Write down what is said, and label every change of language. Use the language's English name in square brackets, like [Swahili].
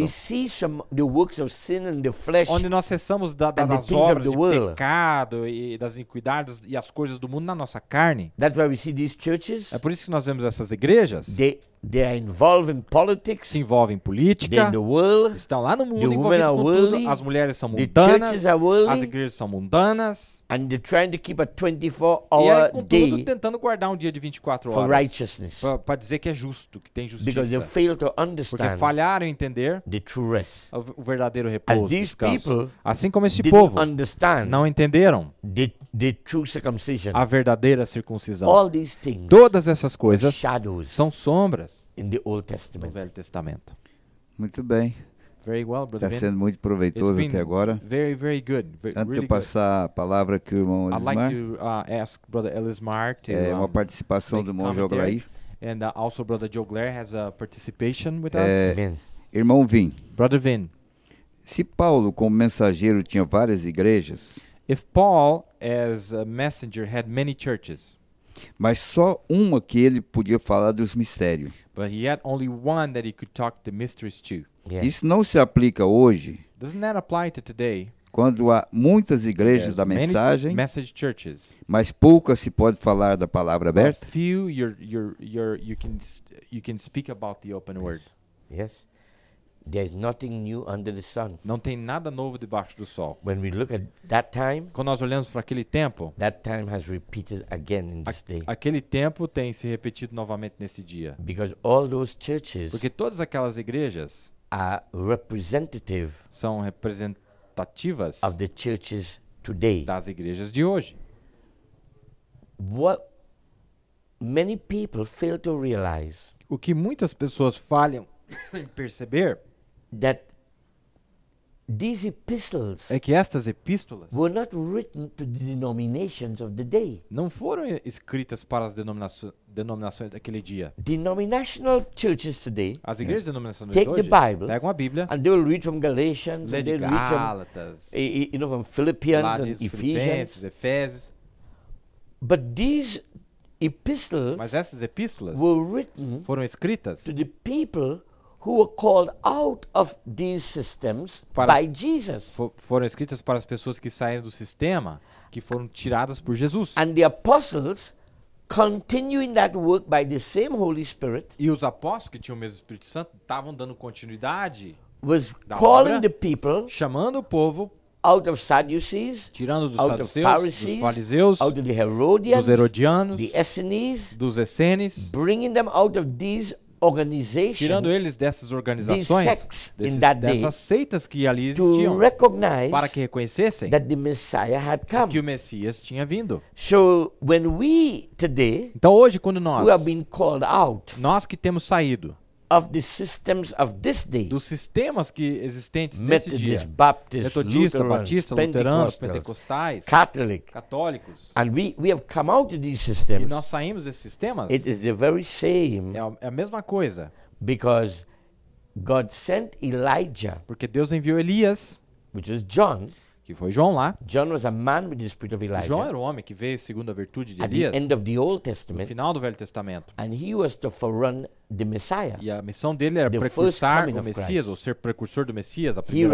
[English] We cease from the works of sin and the flesh, [Portuguese] onde nós cessamos das obras. Do pecado e das iniquidades e as coisas do mundo na nossa carne. [English] That's why we see these churches. [Portuguese] É por isso que nós vemos essas igrejas. [English] They are involved in politics. [Portuguese] Se envolvem em política. [English] They're in the world. [Portuguese] Estão lá no mundo [English] the [Portuguese] envolvidos com [English] worldly, [Portuguese] tudo. As mulheres são mundanas. [English] The churches are worldly, [Portuguese] as igrejas são mundanas. [English] And they're trying to keep a 24-hour day. [Portuguese] E contudo, tentando guardar um dia de 24 horas. [English] For righteousness. [Portuguese] Para dizer que é justo, que tem justiça. [English] Because they fail to understand. [Portuguese] Porque falharam em entender. [English] The true rest. [Portuguese] O verdadeiro repouso. [English] As these people. [Portuguese] Assim como esse povo. [English] Understand. [Portuguese] Não entenderam. [English] The true circumcision. [Portuguese] A verdadeira circuncisão. [English] All these things. [Portuguese] Todas essas coisas. [English] Shadows. [Portuguese] São sombras. [English] In the Old Testament. [Portuguese] No Velho Testamento. Muito bem. [English] Very well, brother. [Portuguese] Está sendo muito proveitoso até agora. [English] Very, very good. [Portuguese] Antes de eu passar a palavra aqui, irmão Elismar. [English] I'd like to ask brother Elismar to. [Portuguese] É uma participação do irmão Joglair. [English] And also brother Joglair has a participation with us. [Portuguese] Irmão Vin. [English] Brother Vin. [Portuguese] Se Paulo, como mensageiro, tinha várias igrejas. [English] If Paul, as a messenger, had many churches. [Portuguese] Mas só uma que ele podia falar dos mistérios. [English] But he had only one that he could talk the mysteries to. [Portuguese] Yeah. Isso não se aplica hoje. [English] Doesn't that apply to today? [Portuguese] Quando há muitas igrejas da mensagem, [English] message churches, [Portuguese] mas poucas se pode falar da palavra aberta. [English] Few you can speak about the open word. Yes. There's nothing new under the sun. [Portuguese] Não tem nada novo debaixo do sol. [English] When we look at that time, [Portuguese] quando nós olhamos para aquele tempo, [English] that time has repeated again in this day. [Portuguese] Aquele tempo tem se repetido novamente nesse dia. [English] Because all those churches, [Portuguese] porque todas aquelas igrejas, [English] are representative, [Portuguese] são representativas [English] of the churches today, [Portuguese] das igrejas de hoje. [English] What many people fail to realize, [Portuguese] o que muitas pessoas falham perceber [English] that these epistles [Portuguese] é que estas epístolas [English] were not written to the denominations of the day. [Portuguese] Não foram escritas para as denominações daquele dia. [English] Denominational churches today, [Portuguese] as igrejas denominacionais hoje, [English] take the Bible, [Portuguese] pegam a Bíblia, [English] and they will read from Galatians, and they will read [Portuguese] Gálatas, [English] from Philippians and Ephesians, [Portuguese] Efésios. [English] But these epistles, [Portuguese] mas essas epístolas, [English] were written [Portuguese] foram escritas [English] to the people who were called out of these systems by Jesus. [Portuguese] Foram escritas para as pessoas que saíram do sistema, que foram tiradas por Jesus. [English] And the apostles, continuing that work by the same Holy Spirit, [Portuguese] e os apóstolos que tinham o mesmo Espírito Santo estavam dando continuidade, [English] was calling [Portuguese] obra, [English] the people, [Portuguese] chamando o povo, [English] out of Sadducees, [Portuguese] tirando dos [English] out [Portuguese] saduceus, [English] of Pharisees, [Portuguese] dos fariseus, [English] out of the Herodians, [Portuguese] dos herodianos, [English] the Essenes, [Portuguese] dos essenes, [English] bringing them out of these organizations, [Portuguese] tirando eles dessas organizações, dessas seitas que ali existiam, [English] to recognize [Portuguese] para que reconhecessem [English] that the Messiah had come, [Portuguese] que o Messias tinha vindo. [English] So, when we today, [Portuguese] então hoje quando nós, [English] we have been called out, [Portuguese] nós que temos saído [English] of the systems of this day, [Portuguese] dos sistemas que existentes [English] Methodist, [Portuguese] nesse dia, [English] Baptist, [Portuguese] metodista, batista, luteranos, pentecostais, católicos, [English] and we have come out of these systems, [Portuguese] e nós saímos desses sistemas. [English] It is the very same, [Portuguese] é a mesma coisa, [English] because God sent Elijah, [Portuguese] porque Deus enviou Elias, [English] which is John, [Portuguese] que foi João lá. [English] John was a man with the spirit of Elijah. [Portuguese] João era um homem que veio segundo a virtude de [English] at [Portuguese] Elias. [English] The end of the Old Testament, [Portuguese] no final do Velho Testamento. [English] And he was to forerun the Messiah. [Portuguese] E a missão dele era precursar o Messias, ou ser precursor do Messias, a primeira